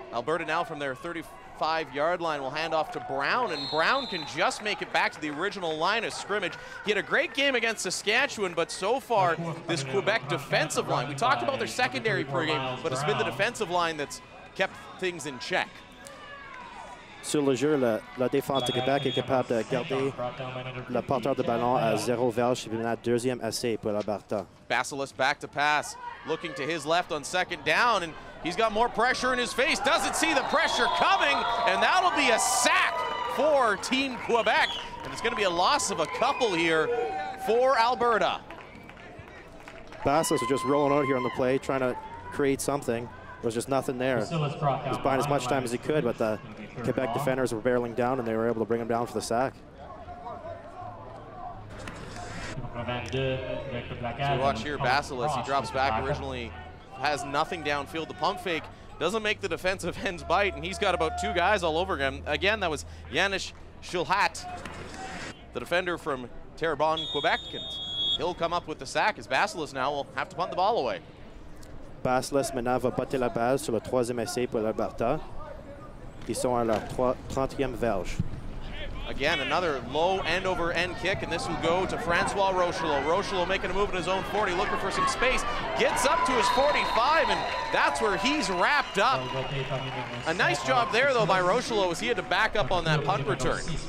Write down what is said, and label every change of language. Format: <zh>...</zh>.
<en>Alberta now from their 35-yard line will hand off to Brown, and Brown can just make it back to the original line of scrimmage. He had a great game against Saskatchewan, but so far this Quebec defensive line, we talked about their secondary pregame, but it's been the defensive line that's kept things in check.</en> <fr>Sur le jeu, la défense de Québec est capable de garder le porteur de ballon à zéro verge sur la deuxième essai pour Alberta.</fr> <en>Basilis back to pass, looking to his left on second down, and he's got more pressure in his face, doesn't see the pressure coming, and that'll be a sack for Team Quebec. And it's going to be a loss of a couple here for Alberta. Basilis is just rolling out here on the play, trying to create something. There was just nothing there. He was buying as much time as he could, but the Quebec defenders were barreling down, and they were able to bring him down for the sack. So watch here, Basilis, he drops back originally, has nothing downfield. The pump fake doesn't make the defensive ends bite, and he's got about two guys all over him. Again, that was Yanis Shilhat, the defender from Terrebonne, Quebec, and he'll come up with the sack as Basilis now will have to punt the ball away.</en> <fr>Basilis maintenant va botter la balle sur le troisième essai pour l'Alberta. Ils sont à leur 30e verge.</fr> <en>Again, another low end-over-end kick, and this will go to Francois Rochelot. Rochelot making a move in his own 40, looking for some space. Gets up to his 45, and that's where he's wrapped up. A nice job there, though, by Rochelot, as he had to back up on that punt return.</en>